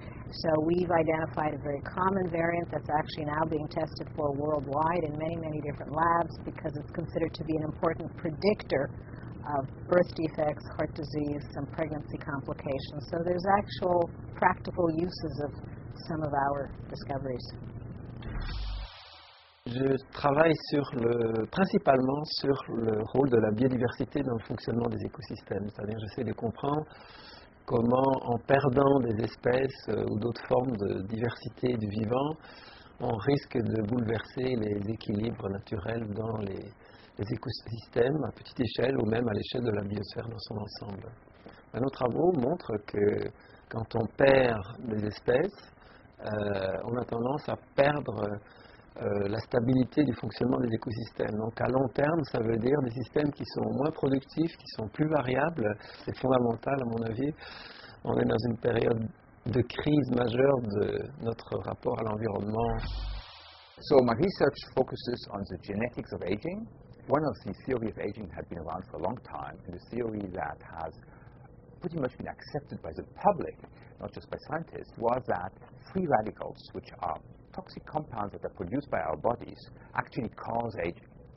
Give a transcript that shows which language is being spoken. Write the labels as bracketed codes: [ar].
[en] So we've identified a very common variant that's actually now being tested for worldwide in many, many different labs because it's considered to be an important predictor of birth defects, heart disease, some pregnancy complications. So there's actual practical uses of some of our discoveries. [fr] Je travaille principalement sur le rôle de la biodiversité dans le fonctionnement des écosystèmes. C'est-à-dire, j'essaie de comprendre comment, en perdant des espèces ou d'autres formes de diversité du vivant, on risque de bouleverser les équilibres naturels dans les écosystèmes à petite échelle ou même à l'échelle de la biosphère dans son ensemble. Nos travaux montrent que quand on perd des espèces, on a tendance à perdre la stabilité du fonctionnement des écosystèmes. Donc à long terme, ça veut dire des systèmes qui sont moins productifs, qui sont plus variables. C'est fondamental à mon avis. On est dans une période de crise majeure de notre rapport à l'environnement. [en] So my research focuses on the genetics of aging. One of the theories of aging has been around for a long time, and the theory that has pretty much been accepted by the public, not just by scientists, was that free radicals, which are toxic compounds that are produced by our bodies, actually cause aging.